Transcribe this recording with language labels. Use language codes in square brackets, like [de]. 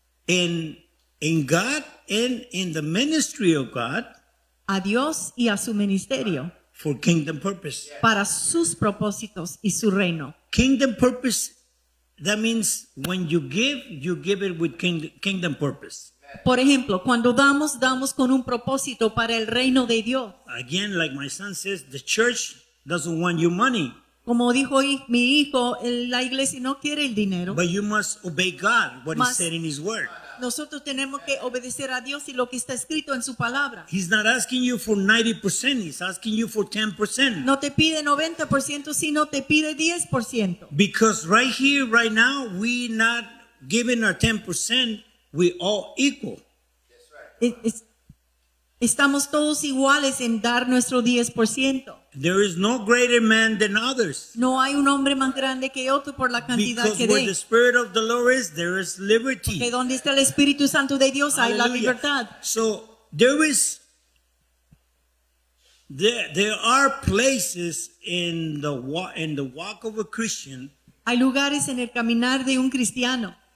[en] In God and in the ministry of God. [es] A Dios y a su ministerio. [en] For kingdom purpose. Yes. [es] Para sus propósitos y su reino. [en] Kingdom purpose, that means when you give it with kingdom purpose. [es] Por ejemplo, cuando damos, damos con un propósito para el reino de Dios. [en] Again, like my son says, the church doesn't want your money. [es] Como dijo mi hijo, la iglesia no quiere el dinero. [en] But you must obey God, what he said in his word. [es] Nosotros tenemos que obedecer a Dios y lo que está escrito en su palabra. [en] He's not asking you for 90%, he's asking you for 10%. [es] No te pide 90%, sino te pide 10%. [en] Because right here, right now, we not giving our 10%, we all equal. That's right. [es] Estamos todos iguales en dar nuestro 10%. [en] There is no greater man than others. [es] No hay un hombre más grande que otro por la cantidad [en] because [es] que dé. [en] Because where the Spirit of the Lord is, there is liberty. [es] Porque donde está el Espíritu Santo de Dios, hay la libertad. [en] So there are places in the walk of a Christian. [es] Hay lugares en el caminar de un cristiano.